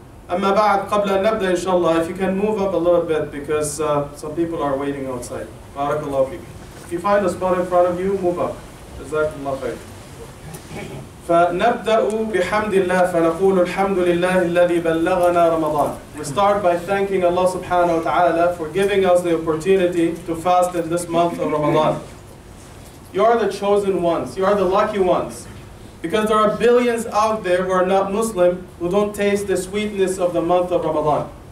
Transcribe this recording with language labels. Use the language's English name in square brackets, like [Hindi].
[Arabic] أما بعد قبل أن نبدأ إن شاء الله, [English] if you can move up a little bit because some people are waiting outside. Barakallahu feek. If you find a spot in front of you, move up. [Arabic] Jazakallahu khair. فنبدأ بحمد الله فنقول الحمد لله الذي بلغنا رمضان. [English] We start by thanking Allah subhanahu wa ta'ala for giving us the opportunity to fast in this month of Ramadan. You are the chosen ones, you are the lucky ones. Because there are billions out there who are not Muslim who don't taste the sweetness of the month of Ramadan.